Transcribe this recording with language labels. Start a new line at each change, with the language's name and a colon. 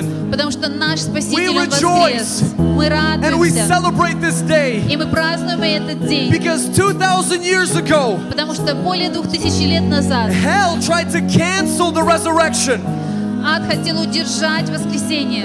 Russian: Потому что наш Спаситель воскрес. Мы радуемся. И мы празднуем этот день.
English: Because 2000 years ago,
Russian: потому что более 2000 лет назад
English: hell tried to cancel the resurrection.
Russian: Ад хотел удержать воскресение.